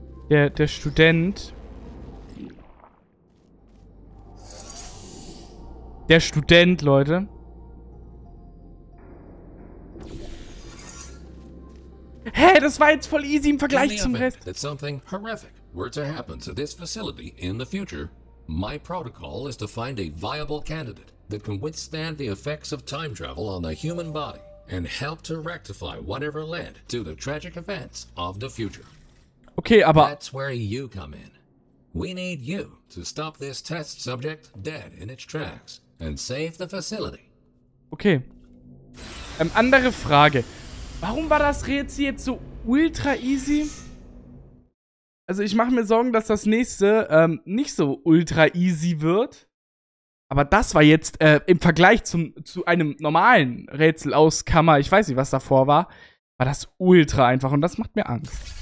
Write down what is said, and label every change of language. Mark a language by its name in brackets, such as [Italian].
[German] Der Student. Der Student, Leute. Hä, hey, das war jetzt voll easy im Vergleich zum Rest. [English] That something horrific were to happen to this facility in the future, my protocol is to find a viable candidate that can withstand the effects of time travel on the human body and help to rectify whatever led to the tragic events of the future. [German] Okay, aber [English] that's where you come in. We need you to stop this test subject dead in its tracks and save the facility. Okay. [German] Andere Frage. Warum war das Rätsel jetzt so ultra easy? Also ich mache mir Sorgen, dass das nächste nicht so ultra easy wird. Aber das war jetzt im Vergleich zu einem normalen Rätsel aus Kammer, ich weiß nicht, was davor war, war das ultra einfach und das macht mir Angst.